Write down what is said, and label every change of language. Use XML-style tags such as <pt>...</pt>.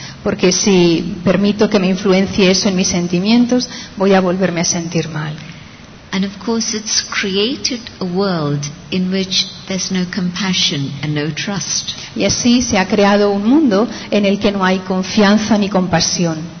<es>Porque si permito que me influencie eso en mis sentimientos, voy a volverme a sentir mal.</es> <en>And of course it's created a world in which there's no compassion and no trust.</en> <es>Y así se ha creado un mundo en el que no hay confianza ni compasión.</es>